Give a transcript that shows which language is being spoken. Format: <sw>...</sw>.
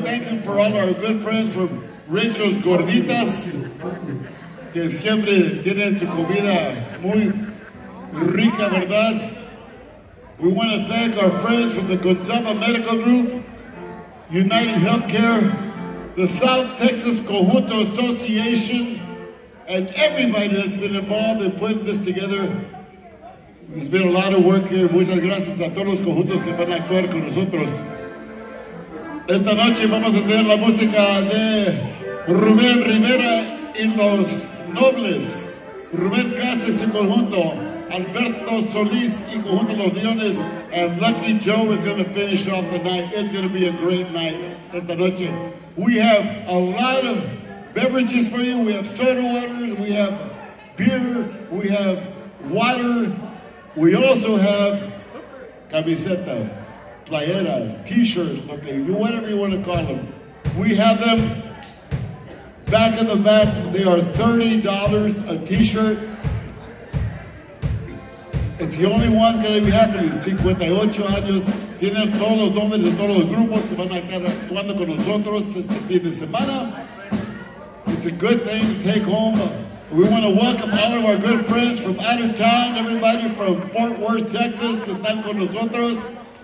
<en>Thank you for all our good friends from Rachel's Gorditas,</en> <es>que siempre tienen su comida muy rica, ¿verdad?</es> <en>We want to thank our friends from the Gonzaga Medical Group, United Healthcare, the South Texas Conjunto Association, and everybody that's been involved in putting this together. It's been a lot of work here.</en> <es>Muchas gracias a todos los conjuntos que van a actuar con nosotros. Esta noche vamos a tener la música de Rubén Rivera y Los Nobles, Rubén Casas y conjunto, Alberto Solís y conjunto Los Leones,</es> <en>and Lucky Joe is going to finish off the night. It's going to be a great night</en> <es>esta noche.</es> <en>We have a lot of beverages for you. We have soda waters, we have beer, we have water. We also have</en> <es>camisetas, playeras,</es> <en>t-shirts, okay, whatever you want to call them. We have them. Back in the back, they are $30 a t-shirt. It's the only one going to be happening.</en> <es>58 años. Tienen todos los nombres de todos los grupos que van a estar actuando con nosotros este fin de semana.</es> <en>It's a good thing to take home. We want to welcome all of our good friends from out of town. Everybody from Fort Worth, Texas,</en> <es>que están con nosotros.</es>